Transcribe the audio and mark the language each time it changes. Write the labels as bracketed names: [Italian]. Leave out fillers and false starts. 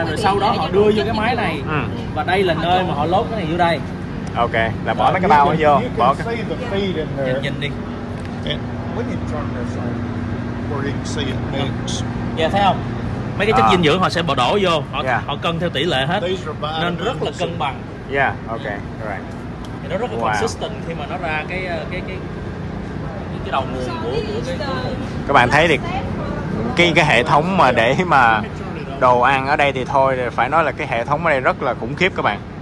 [Vietnamese] đúng rồi sau đó họ đưa vô cái máy này và đây là nơi mà họ lốt cái này vô đây. Ok, là bỏ mấy cái bao nó vô, bỏ cái nhìn đi. [English] When you turn this on, where you can see it mix. [Vietnamese] Yeah, thấy không? Mấy cái chất dinh dưỡng họ sẽ bỏ đổ vô, họ cân theo tỷ lệ hết. Nên rất là cân bằng. [English] Yeah, ok, alright. [Vietnamese] Nó rất là consistent khi mà nó ra cái đầu nguồn của các bạn thấy thì cái hệ thống mà để mà đồ ăn ở đây thì thôi phải nói là cái hệ thống ở đây rất là khủng khiếp các bạn.